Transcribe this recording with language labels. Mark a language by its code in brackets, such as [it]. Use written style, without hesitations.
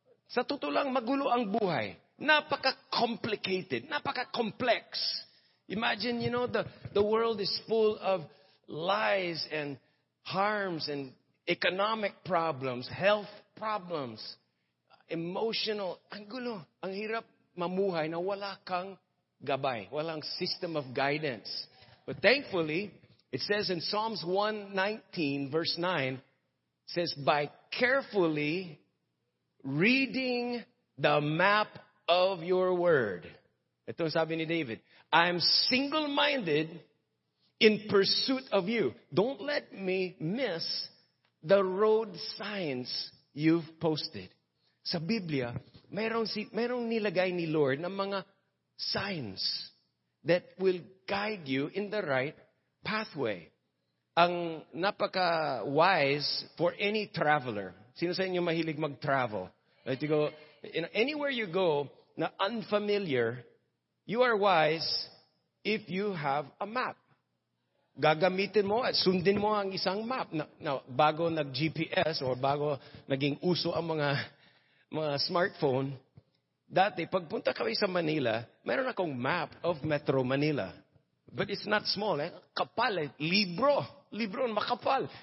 [tl] Sa totoo lang, magulo ang buhay. Napaka-complicated. Napaka-complex. [en] Imagine, you know, the world is full of lies and harms and economic problems, health problems, emotional. [tl] Ang gulo. Ang hirap mamuhay na wala kang gabay. Walang [en] system of guidance. But thankfully, it says in Psalms 119, verse 9, says, by carefully reading the map of your word. [tl] Ito ang sabi ni David. [en] I'm single-minded in pursuit of you. Don't let me miss the road signs you've posted. [tl] Sa Biblia, mayroong nilagay ni Lord na mga [en] signs that will guide you in the right pathway. [tl] Ang napaka-wise [en] for any traveler. [tl] Sino sa inyo mahilig mag-travel? [en] Like to go, you know, anywhere you go na unfamiliar, you are wise if you have a map. [tl] Gagamitin mo at sundin mo ang isang map. Now, bago nag-GPS or bago naging uso ang mga smartphone, dati, pagpunta kami sa Manila, meron akong [en] map of Metro Manila. But it's not small, eh. [tl] Kapal, eh. Libro. Libro, makapal.